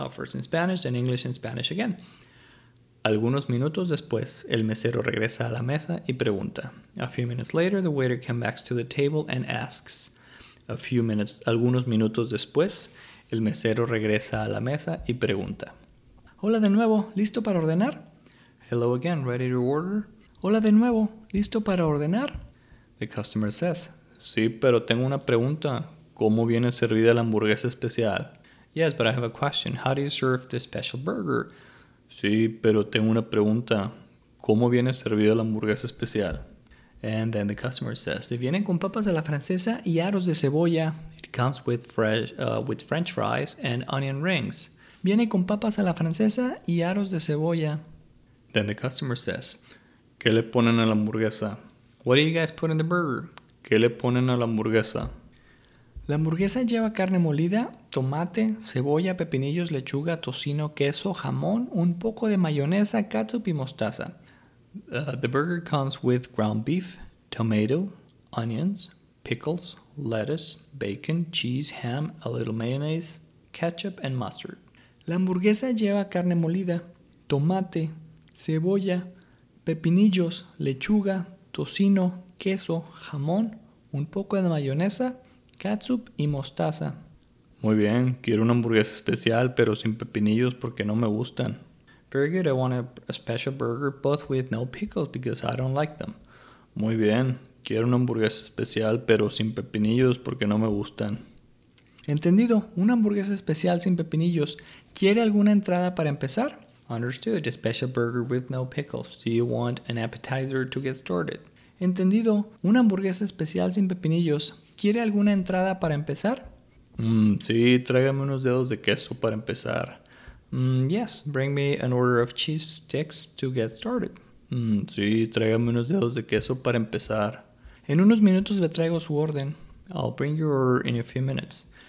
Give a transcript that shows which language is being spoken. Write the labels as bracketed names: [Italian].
[English] First in Spanish, then English and Spanish again. [Spanish] Algunos minutos después, el mesero regresa a la mesa y pregunta. [English] A few minutes later, the waiter comes back to the table and asks. A few minutes, [Spanish] algunos minutos después, el mesero regresa a la mesa y pregunta. Hola de nuevo, ¿listo para ordenar? [English] Hello again, ready to order? [Spanish] Hola de nuevo, ¿listo para ordenar? [English] The customer says. [Spanish] Sí, pero tengo una pregunta. ¿Cómo viene servida la hamburguesa especial? [English] Yes, but I have a question. How do you serve the special burger? [Spanish] Sí, pero tengo una pregunta. ¿Cómo viene servida la hamburguesa especial? [English] And then the customer says, [Spanish] se vienen con papas a la francesa y aros de cebolla. [English] It comes with French fries and onion rings. [Spanish] Viene con papas a la francesa y aros de cebolla. [English] Then the customer says, [Spanish] ¿qué le ponen a la hamburguesa? [English] What do you guys put in the burger? [Spanish] ¿Qué le ponen a la hamburguesa? La hamburguesa lleva carne molida, tomate, cebolla, pepinillos, lechuga, tocino, queso, jamón, un poco de mayonesa, ketchup y mostaza. [English] The burger comes with ground beef, tomato, onions, pickles, lettuce, bacon, cheese, ham, a little mayonnaise, ketchup and mustard. [Spanish] La hamburguesa lleva carne molida, tomate, cebolla, pepinillos, lechuga, tocino, queso, jamón, un poco de mayonesa, catsup y mostaza. Muy bien, quiero una hamburguesa especial, pero sin pepinillos porque no me gustan. [English] Very good, I want a special burger, both with no pickles because I don't like them. [Spanish] Muy bien, quiero una hamburguesa especial, pero sin pepinillos porque no me gustan. Entendido, una hamburguesa especial sin pepinillos. ¿Quiere alguna entrada para empezar? [English] Understood, a special burger with no pickles. Do you want an appetizer to get started? [Spanish] Entendido, una hamburguesa especial sin pepinillos. ¿Quiere alguna entrada para empezar? Sí, tráigame unos dedos de queso para empezar. [English] Yes, bring me an order of cheese sticks to get started. [Spanish] Sí, tráigame unos dedos de queso para empezar. En unos minutos le traigo su orden. [English] I'll bring your order in a few minutes.